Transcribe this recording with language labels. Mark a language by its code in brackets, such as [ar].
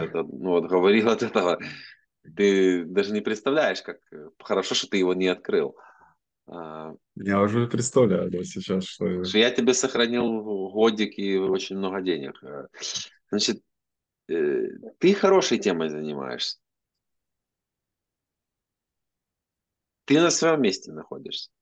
[uk] тебе ну, от говорив від цього. Ти навіть не представляєш, як хорошо, що ти його не відкрив. [ru] Я уже представляю, да, сейчас, что [uk] Що я тебе сохранив годик і дуже багато денег. Значить, ти хорошою темою займаєшся. Ти на своєму місці знаходишся.